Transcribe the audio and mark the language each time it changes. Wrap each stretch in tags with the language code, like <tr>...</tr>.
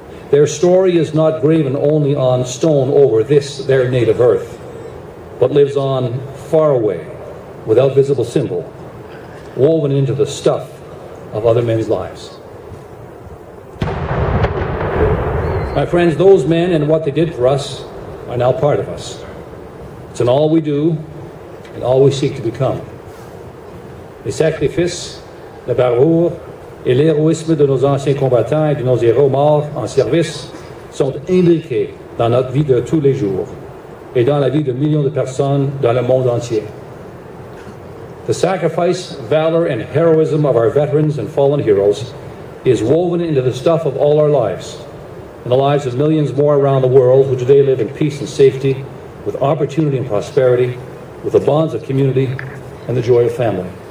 <en>Their story is not graven only on stone over this, their native earth, but lives on far away, without visible symbol, woven into the stuff of other men's lives. My friends, those men and what they did for us are now part of us. It's in all we do and all we seek to become.</en> <fr>Les sacrifices, la bravoure et l'héroïsme de nos anciens combattants et de nos héros morts en service sont imbriqués dans notre vie de tous les jours et dans la vie de millions de personnes dans le monde entier.</fr> <en>The sacrifice, valor, and heroism of our veterans and fallen heroes is woven into the stuff of all our lives, and the lives of millions more around the world who today live in peace and safety, with opportunity and prosperity, with the bonds of community and the joy of family.</en>